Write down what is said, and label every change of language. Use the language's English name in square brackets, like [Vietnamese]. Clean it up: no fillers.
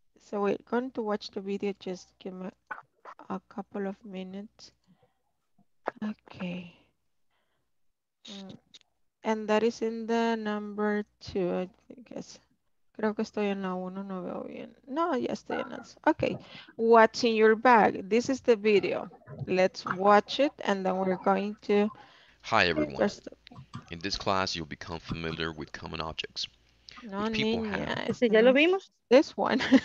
[English] So we're going to watch the video, just give me a couple of minutes. Okay. And that is in the number 2, I guess. [Spanish] Creo que estoy en la 1, no veo bien. No, ya estoy en la 2. [English] Okay. What's in your bag? This is the video. Let's watch it and then we're going to... Hi, everyone. In this class, you'll become familiar with common objects. [Spanish] No, niña. Have... ¿Ese ya lo vimos? [English] This one.